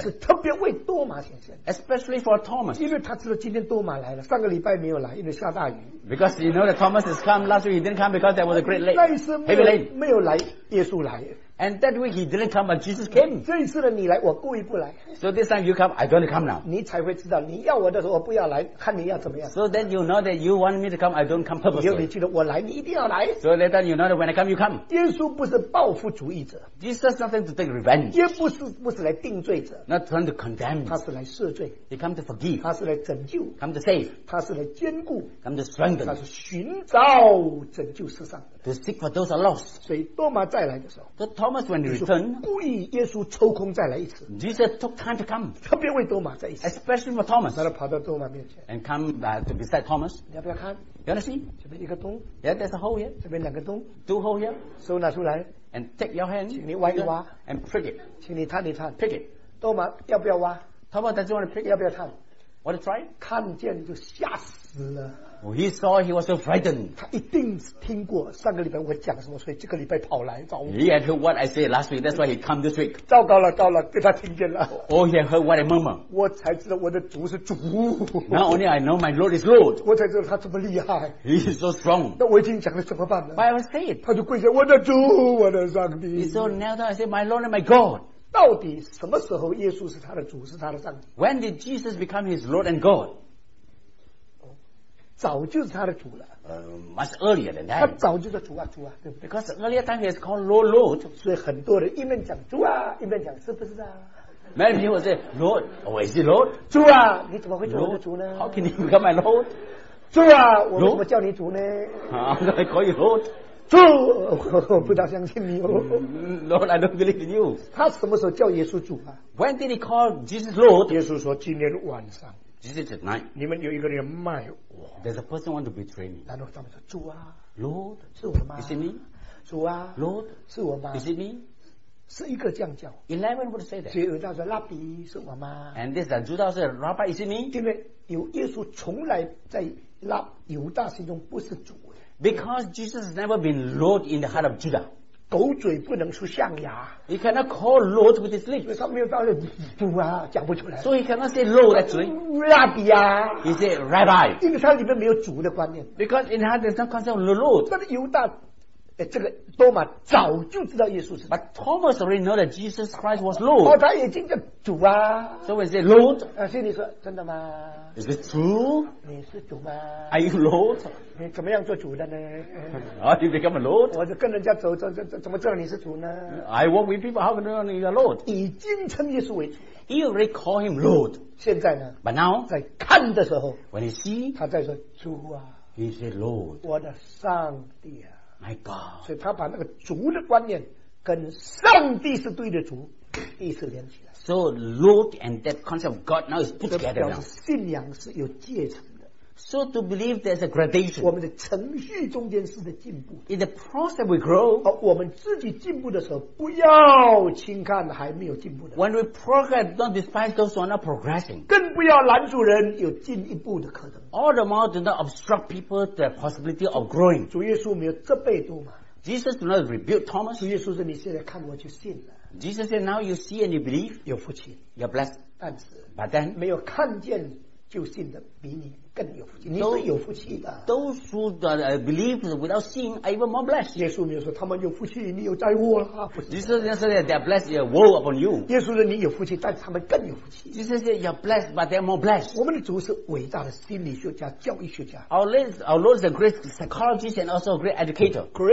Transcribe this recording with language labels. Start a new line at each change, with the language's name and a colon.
Chinese: 是特别为多马显现。
English: Especially for Thomas.
Chinese: 因为他知道今天多马来了，上个礼拜没有来，因为下大雨。
English: Because you know that Thomas has come last week. He didn't come because there was a great rain.
Chinese: 那一次没有来，耶稣来。
English: And that week he didn't come, but Jesus came.
Chinese: 这一次呢，你来，我故意不来。
English: So this time you come, I don't come now.
Chinese: 你才会知道，你要我的时候，我不要来，看你要怎么样。
English: So then you know that you want me to come, I don't come purposely.
Chinese: 你记得我来，你一定要来。
English: So then you know that when I come, you come.
Chinese: 耶稣不是报复主义者。
English: Jesus nothing to take revenge.
Chinese: 也不是来定罪者。
English: Not trying to condemn.
Chinese: 他是来赦罪。
English: He come to forgive.
Chinese: 他是来拯救。
English: Come to save.
Chinese: 他是来坚固。
English: Come to strengthen.
Chinese: 他是寻找拯救世上。
English: To seek for those are lost.
Chinese: 所以多马再来的时候
English: ，So Thomas when he returned,
Chinese: 故意耶稣抽空再来一次。
English: Jesus took time to come,
Chinese: 特别为多马再一次
English: ，especially for Thomas.
Chinese: 他跑到多马面前
English: ，and come to beside Thomas.
Chinese: 你要不要看
English: ？You wanna see?
Chinese: 这边一个洞
English: ，Yeah, there's a hole here.
Chinese: 这边两个洞
English: ，two hole here.
Chinese: 手拿出来
English: ，and take your hand.
Chinese: 请你挖一挖
English: ，and prick it.
Chinese: 请你探一探
English: ，prick it.
Chinese: 多马要不要挖
English: ？Thomas, does you wanna prick?
Chinese: 要不要探
English: ？Wanna try?
Chinese: 看见就吓死了。
English: Well, he saw he was so frightened.
Chinese: 他一定听过上个礼拜我讲什么，所以这个礼拜跑来找我。
English: He had heard what I said last week. That's why he come this week.
Chinese: 糟糕了，糟了，被他听见了。
English: Oh, he had heard what I murmured.
Chinese: 我才知道我的主是主。
English: Not only I know my Lord is Lord.
Chinese: 我才知道他这么厉害。
English: He is so strong.
Chinese: 那我已经讲了怎么办呢
English: ？But I was saying.
Chinese: 他就跪下，我的主，我的上帝。
English: He so knelt down. I said, My Lord and my God.
Chinese: 到底什么时候耶稣是他的主，是他的上帝
English: ？When did Jesus become his Lord and God?
Chinese: 早就是他的主了。
English: Much earlier than that.
Chinese: 他早就是主啊主啊，对不对
English: ？Because earlier time he is called Lord Lord.
Chinese: 所以很多人一面讲主啊，一面讲是不是啊
English: ？Many people say Lord, oh is it Lord?
Chinese: 主啊，你怎么会做我的主呢
English: ？How can you become my Lord?
Chinese: 主啊，我怎么叫你主呢？啊，可以 Lord。主，我不大相信你哦。
English: Lord, I don't believe in you.
Chinese: 他什么时候叫耶稣主啊
English: ？When did he call Jesus Lord?
Chinese: 耶稣说今天晚上。
English: Jesus at night.
Chinese: 你们有一个人卖我。
English: There's a person want to betray me.
Chinese: 然后他们说主啊
English: ，Lord，
Chinese: 是我吗
English: ？Is it me？
Chinese: 主啊
English: ，Lord，
Chinese: 是我吗
English: ？Is it me？
Chinese: 是一个这样叫。
English: Eleven would say that.
Chinese: 所以犹大说拉比是我吗
English: ？And this is Judah said, Rabbi, is it me？
Chinese: 因为有耶稣从来在拉犹大心中不是主。
English: Because Jesus has never been Lord in the heart of Judah.
Chinese: 狗嘴不能出象牙。
English: He cannot call Lord with his lips.
Chinese: 因为他没有道理，主啊，讲不出来。
English: So he cannot say Lord with his lips. Rabbi 啊。 He said Rabbi.
Chinese: 因为他里面没有主的观念。
English: Because in heart there's no concept of Lord.
Chinese: 但是犹大，这个多马早就知道耶稣是。
English: But Thomas already know that Jesus Christ was Lord.
Chinese: 他也经常主啊。
English: So he said Lord.
Chinese: 心里说真的吗
English: ？Is it true?
Chinese: 你是主吗
English: ？Are you Lord?
Chinese: 你怎么样做主的呢
English: ？How do you become a Lord？
Chinese: 我是跟人家走，怎么知道你是主呢
English: ？I walk with people. How can you know you are Lord？
Chinese: 已经称耶稣为主。
English: You already call him Lord。
Chinese: 现在呢
English: ？But now，
Chinese: 在看的时候
English: ，When you see，
Chinese: 他在说主啊
English: ，He said Lord，
Chinese: 我的上帝啊
English: ，My God。
Chinese: 所以他把那个主的观念跟上帝是对的主意思连起来。
English: So Lord and that concept of God now is put together now。
Chinese: 信仰是有阶层。
English: So to believe there's a gradation.
Chinese: 我们的程序中间是在进步。
English: In the process that we grow.
Chinese: 而我们自己进步的时候，不要轻看还没有进步的。
English: When we progress, don't despise those who are not progressing.
Chinese: 更不要拦阻人有进一步的可能。
English: All the more do not obstruct people the possibility of growing.
Chinese: 主耶稣没有责备多吗？
English: Jesus did not rebuke Thomas.
Chinese: 主耶稣说：“你现在看我就信了。”
English: Jesus said, "Now you see and you believe."
Chinese: 有福气。
English: You're blessed.
Chinese: 但是。
English: But then.
Chinese: 没有看见就信的比你。更有福气，你是有福气的。
English: Those who believe without seeing are even more blessed.
Chinese: 耶稣没有说他们有福气，你有灾祸了。
English: Jesus didn't say that they are blessed, your woe upon you.
Chinese: 耶稣说你有福气，但是他们更有福气。
English: Jesus said you are blessed, but they are more blessed.
Chinese: 我们的主是伟大的心理学家、教育学家。
English: Our Lord is a great psychologist and also a great educator.